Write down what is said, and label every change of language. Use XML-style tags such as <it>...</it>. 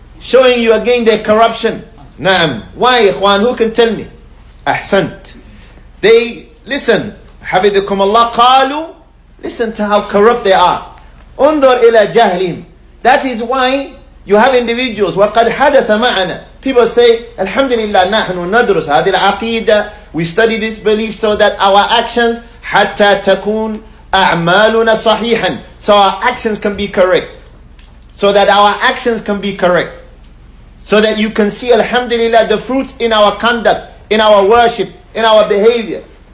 <en>Showing you again their corruption. Naam. Why, Ikhwan? Who can tell me? Ahsant. They, listen,</en> <ar>حَفِذِكُمْ اللَّهِ قَالُوا,</ar> <en>listen to how corrupt they are.</en> <ar>أُنْظُرْ إِلَى جَهْلِهِمْ.</ar> <en>That is why you have individuals,</en> <ar>وَقَدْ حَدَثَ مَعَنَا.</ar> <en>People say,</en> <ar>Alhamdulillah, نَحْنُ نَدْرُسَ هَذِي الْعَقِيدَةِ.</ar> <en>We study this belief so that our actions,</en> <ar>حَتَّى تَكُونَ أَعْمَالُنَا صَحِيحًا,</ar> <en>so our actions can be correct. So that our actions can be correct. So that you can see, Alhamdulillah, the fruits in our conduct, in our worship, in our behavior.</en>